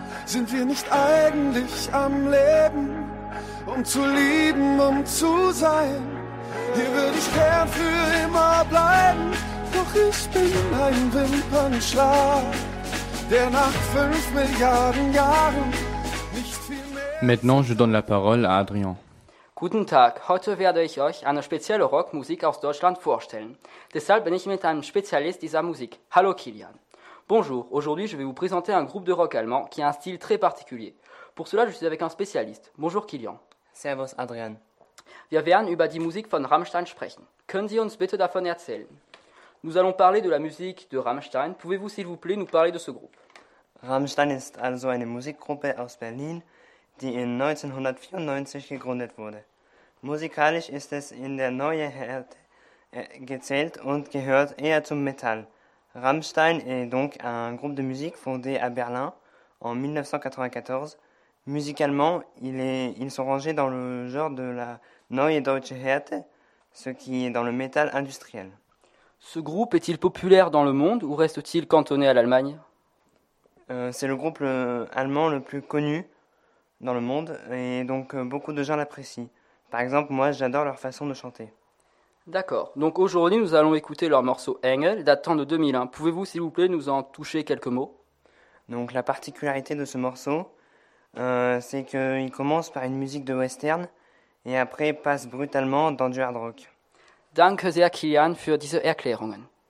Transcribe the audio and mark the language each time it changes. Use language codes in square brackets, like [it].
[de] Sind wir nicht eigentlich am Leben, um zu lieben, um zu sein? Hier würde ich gern für immer bleiben, doch ich bin ein Wimpernschlag, der nach 5 Milliarden Jahren nicht viel mehr. [fr] Maintenant, je donne la parole à Adrien. [de] Guten Tag, heute werde ich euch eine spezielle Rockmusik aus Deutschland vorstellen. Deshalb bin ich mit einem Spezialist dieser Musik. Hallo Kilian. [fr] Bonjour, aujourd'hui je vais vous présenter un groupe de rock allemand qui a un style très particulier. Pour cela, je suis avec un spécialiste. Bonjour Kilian. [de] Servus Adrian. Wir werden über die Musik von Rammstein sprechen. Können Sie uns bitte davon erzählen? [fr] Nous allons parler de la musique de Rammstein. Pouvez-vous s'il vous plaît nous parler de ce groupe? [de] Rammstein ist also eine Musikgruppe aus Berlin, die in 1994 gegründet wurde. Musikalisch ist es in der Neue Härte gezählt und gehört eher zum Metal. [fr] Rammstein est donc un groupe de musique fondé à Berlin en 1994, Musicalement, ils sont rangés dans le genre de la Neue Deutsche Härte, ce qui est dans le métal industriel. Ce groupe est-il populaire dans le monde ou reste-t-il cantonné à l'Allemagne ? C'est le groupe allemand le plus connu dans le monde et donc beaucoup de gens l'apprécient. Par exemple, moi j'adore leur façon de chanter. D'accord, donc aujourd'hui nous allons écouter leur morceau Engel, datant de 2001. Pouvez-vous s'il vous plaît nous en toucher quelques mots ? Donc la particularité de ce morceau, c'est qu'il commence par une musique de western et après passe brutalement dans du hard rock. [de] Danke sehr, Kilian, für diese Erklärungen.